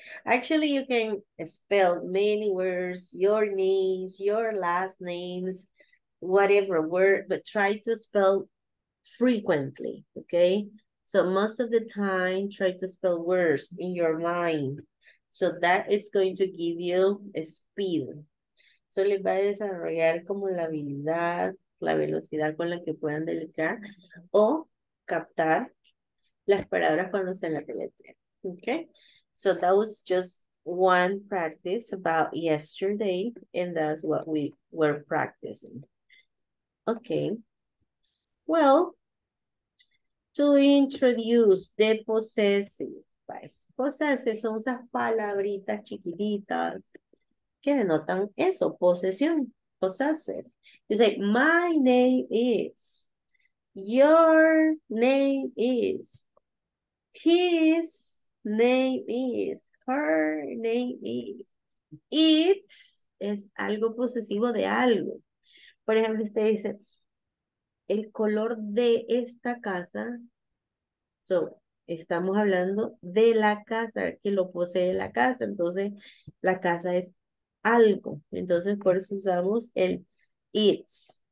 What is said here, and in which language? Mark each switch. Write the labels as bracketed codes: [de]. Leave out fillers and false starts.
[en] Actually, you can spell many words, your names, your last names, whatever word, but try to spell frequently, okay? So most of the time, try to spell words in your mind. So that is going to give you speed. [es] So les va a desarrollar como la habilidad, la velocidad con la que puedan deletrear o captar las palabras cuando se las deletrean. [en] Okay? So that was just one practice about yesterday, and that's what we were practicing. Okay. Well, to introduce the possessive. [es] Possessive son esas palabritas chiquititas que denotan eso, posesión, possessive. [en] You say, my name is, your name is, his name is, her name is. [es] It es algo posesivo de algo. Por ejemplo, usted dice, el color de esta casa, so, estamos hablando de la casa, que lo posee la casa. Entonces, la casa es algo. Entonces, por eso usamos el it's.